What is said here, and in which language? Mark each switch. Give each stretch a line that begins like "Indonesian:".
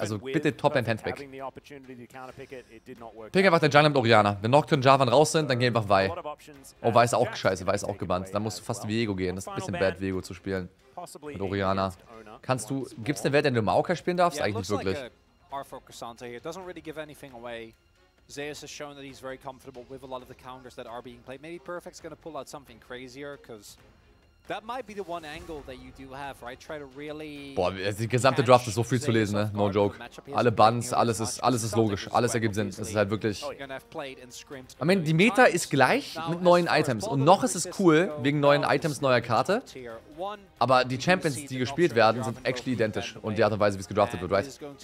German: Also bitte Top-End-Handpick. Pick einfach den Jungle mit Orianna. Wenn Nocturne und Javan raus sind, dann geh einfach Vi. Oh, Vi ist auch scheiße, Vi ist auch gebannt. Dann musst du fast Viego gehen. Das ist ein bisschen bad, Viego zu spielen mit Orianna. Kannst du, gibt es eine Welt, in der du Maoka spielen darfst? Eigentlich nicht wirklich.
English: Zeus has shown that he's very comfortable with a lot of the counters that are being played. Maybe Perfect's gonna pull out something crazier, because that might be the one angle that you do have, right? Try to really.
German: Boah, die gesamte Draft ist so viel zu lesen, ne?
English: No joke.
German: Alle Buns, alles ist logisch, alles ergibt Sinn. Es ist halt wirklich. Ich meine, die Meta ist gleich mit neuen Items und noch ist es cool wegen neuen Items, neuer Karte. Aber die Champions, die gespielt werden, sind actually identisch und die Art und Weise, wie es gedraftet wird, right?